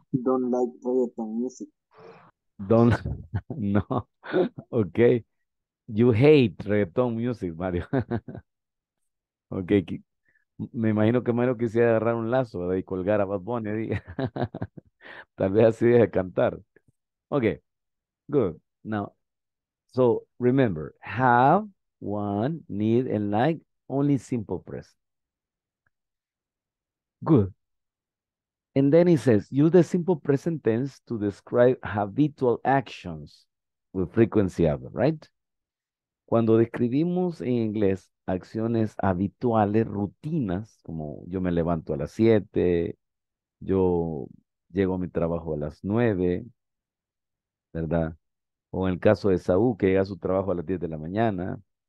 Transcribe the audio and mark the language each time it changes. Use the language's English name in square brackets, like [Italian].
[English] Don't like reggaeton music. Don't, no, ok. You hate reggaeton music, Mario. [Spanish] Ok, me imagino que Mario quisiera agarrar un lazo, ¿verdad? Y colgar a Bad Bunny. ¿Verdad? Tal vez así deje cantar. Ok, good. [English] Now, so remember, have, want, need, and like. Only simple present. Good. And then he says, use the simple present tense to describe habitual actions with frequency ever, right? [Spanish] Cuando describimos en inglés acciones habituales, rutinas, como yo me levanto a las 7, yo llego a mi trabajo a las 9, ¿verdad? O en el caso de Saúl, que llega a su trabajo a las 10 de la mañana.